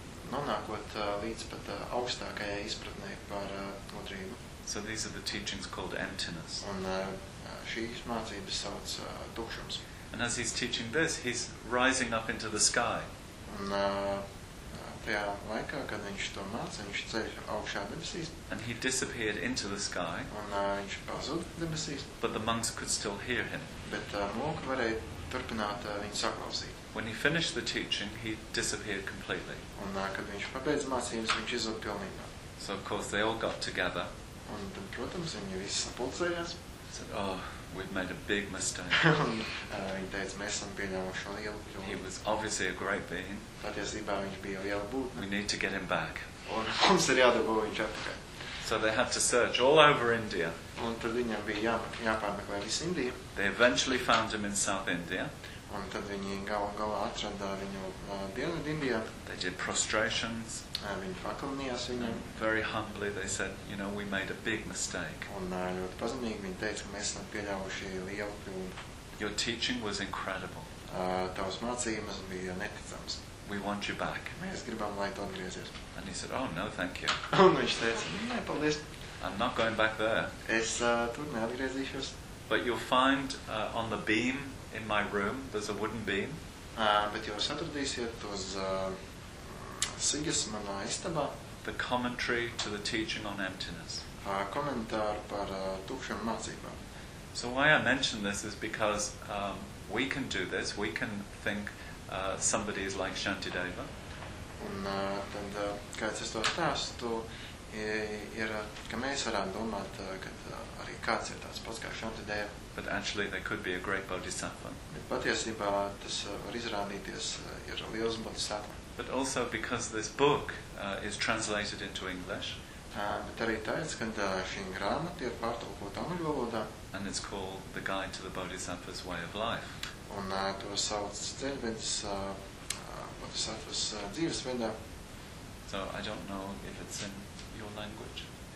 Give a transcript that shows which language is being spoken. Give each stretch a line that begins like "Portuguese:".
Latvian: Nonākot līdz pat augstākajai izpratnei par gudrību.
English: So these are the teachings called emptiness.
Latvian: Un šīs mācības sauc tukšums.
English: And as he's teaching this, he's rising up into the sky.
Latvian: Un tajā laikā, kad viņš to māca, viņš ceļ augšā debesīs.
English: And he disappeared into the sky.
Latvian: Un viņš pazuda debesīs.
English: But the monks could still hear him.
Latvian: Bet mūki varēja turpināt viņu saklausīt.
English: When he finished the teaching, he disappeared completely.
Latvian: Un kad viņš pabeidz mācības, viņš izzūd pilnībā.
English: So of course they all got together.
Latvian: Un tad, protams, viņi visi sapulcējās.
English: Said, oh, we've made a big mistake.
Latvian: Viņi teica, mēs esam pieņēmuši lielu kļūdu.
English: He was obviously a great being.
Latvian: Patiesībā viņš bija liela būtne.
English: We need to get him back.
Latvian: Un mums ir jādabū viņš atpakaļ.
English: So they had to search all over India.
Latvian: Un tad viņam bija jāpārmeklē visu Indiju.
English: They eventually found him in South India.
Latvian: Un tad viņi galā atrada viņu dienu Indijā.
English: They did prostrations.
Latvian: Viņi pakalnījās viņam.
English: Very humbly they said, you know, we made a big mistake.
Latvian: Un ļoti pazemīgi viņi teica, ka mēs esam pieļāvuši lielu kļūdu.
English: Your teaching was incredible.
Latvian: Tavs mācījums bija neticams.
English: We want you back.
Latvian: Mēs gribam, lai tu atgriezies.
English: And he said, oh no, thank you.
Latvian: Un viņš teica, nē, paldies.
English: I'm not going back there.
Latvian: Es tur neatgriezīšos.
English: But you'll find on the beam in my room, there's a wooden beam.
Latvian: Bet jūs atradīsiet uz sigas manā istabā.
English: The commentary to the teaching on emptiness.
Latvian: Komentāru par tukšām mācībām.
English: So why I mention this is because we can do this. We can think somebody is like Shantideva.
Latvian: Un tad, kāds es to stāstu, ir, ka mēs varam domāt, ka arī kāds ir tāds pats kā Shantideva.
English: But actually they could be a great bodhisattva.
Latvian: Bet patiesībā tas var izrādīties ir liels bodhisattva.
English: But also because this book is translated into English.
Latvian: Bet arī tāpēc, ka šī grāmata ir pārtulkota angļu valodā.
English: And it's called The Guide to the Bodhisattva's Way of Life.
Latvian: Un to sauc ceļvedis bodhisattva's dzīvesveidā.
English: So I don't know if it's in your language.